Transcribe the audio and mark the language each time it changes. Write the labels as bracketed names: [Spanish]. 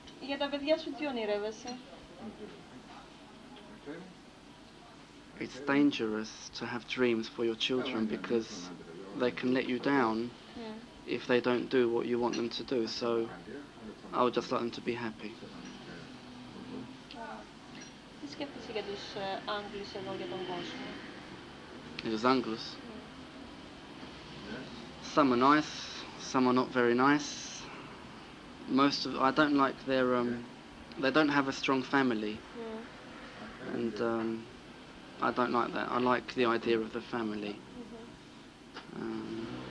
[Greek] Για τα παιδιά σου τι ονειρεύεσαι? [English] It's dangerous to have dreams for your children because they can let you down if they don't do what you want them to do. So I would just like them to be happy. [Greek] Τι σκέφτεσαι για τους Άγγλους εδώ για τον κόσμο? Τους Άγγλους. [English] Some are nice, some are not very nice. I don't like their, they don't have a strong family. Yeah. And I don't like that. I like the idea of the family. Mm-hmm.